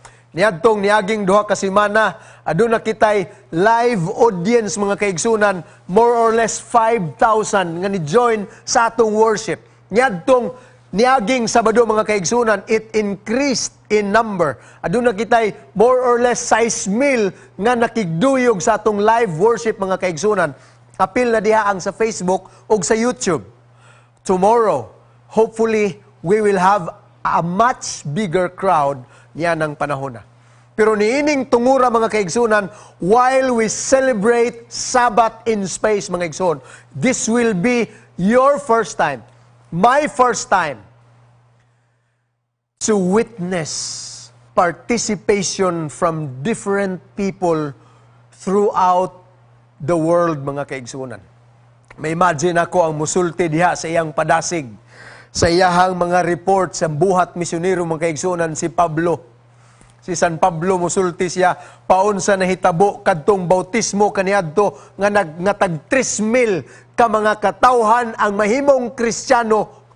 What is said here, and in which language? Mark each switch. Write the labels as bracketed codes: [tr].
[ceb] Niadtong niaging duha ka semana, aduna kitay live audience mga kaigsoonan, [en] more or less [ceb] 5,000 nga ni-join sa atong worship. Niadtong niaging Sabado mga kaigsoonan, [en] it increased in number. [ceb] Aduna kitay [en] more or less [ceb] 6,000 nga nakigduyog sa atong live worship mga kaigsoonan. Apil na diha ang sa Facebook ug sa YouTube. [en] Tomorrow, hopefully we will have a much bigger crowd [ceb] niya ng panahona. Pero niining tungura mga kaigsoonan, [en] while we celebrate Sabbath in space [ceb] mga igsoon, [en] this will be your first time, my first time to witness participation from different people throughout the world, [ceb] mga kaigsoonan. May imagine ako ang musulti diha sa iyang padasig, sa iyahang mga reports sa buhat misyonero, mga kaigsoonan, si Pablo. Si San Pablo musulti siya, paunsa nahitabo kadtong bautismo kaniadto nga nag-3,000 ka mga katawhan ang mahimong Kristiyano